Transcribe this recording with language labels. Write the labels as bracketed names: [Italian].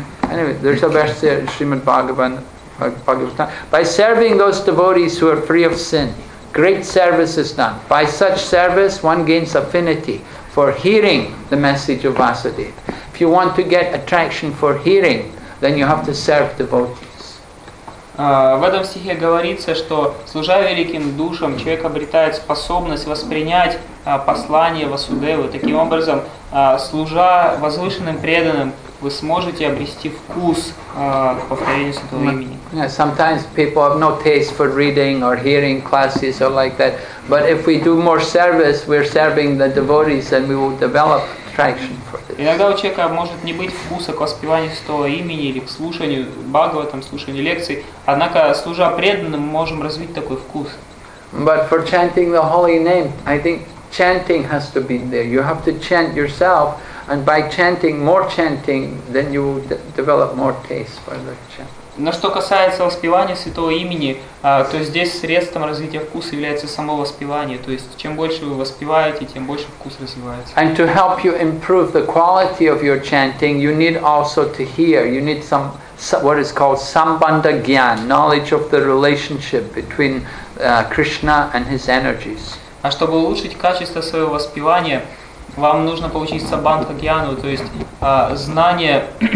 [English] Anyway, there's a verse there, Srimad Bhagavan, Bhagavatam. By serving those devotees who are free of sin, great service is done. By such service, one gains affinity for hearing the message of Vasudeva. If you want to get attraction for hearing, then you have to serve devotees. [Russian] В этом стихе говорится, что служа великим душам, человек обретает способность воспринять послание Васудевы. Таким образом, служа возвышенным преданным, вы сможете обрести вкус к повторению святого имени. [English] Yeah, sometimes people have no taste for reading or hearing classes or like that. But if we do more service, we're serving the devotees, and we will develop attraction for this. [Russian] Иногда у человека может не быть вкуса к воспеванию святого имени или к слушанию Бхагаватам, слушанию лекций. Однако, служа преданным, мы можем развить такой вкус. [English] But for chanting the holy name, I think chanting has to be there. You have to chant yourself, and by chanting, more chanting, then you will develop more taste for the chant. [Russian] Но что касается воспевания святого имени, то здесь средством развития вкуса является само воспевание. То есть, чем больше вы воспеваете, тем больше вкус развивается. [English] And to help you improve the quality of your chanting, you need also to hear. You need some what is called sambandha gyan, knowledge of the relationship between Krishna and his energies. [Russian] А чтобы улучшить качество своего воспевания, вам нужно получить сабандха гьяну, то есть знание.